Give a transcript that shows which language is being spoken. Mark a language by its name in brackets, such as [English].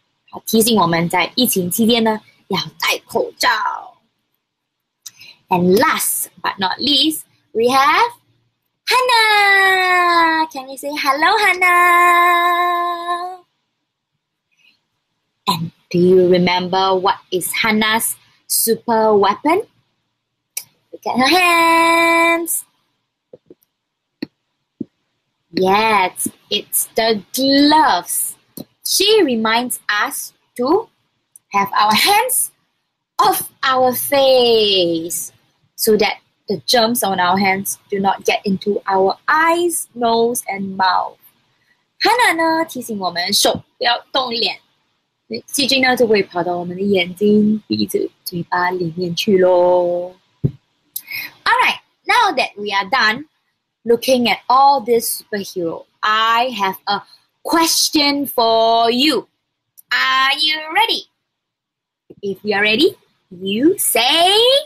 [Chinese] 她提醒我们在疫情期间呢，要戴口罩。 [English] And last but not least, we have Hannah! Can you say hello, Hannah? And do you remember what is Hannah's super weapon? Look at her hands! Yes, it's the gloves. She reminds us to have our hands off our face. So that the germs on our hands do not get into our eyes, nose, and mouth. [Chinese] Hannah 呢提醒我们手不要动脸，细菌呢就会跑到我们的眼睛、鼻子、嘴巴里面去咯。 [English] All right, now that we are done looking at all this superhero, I have a question for you. Are you ready? If you are ready, you say...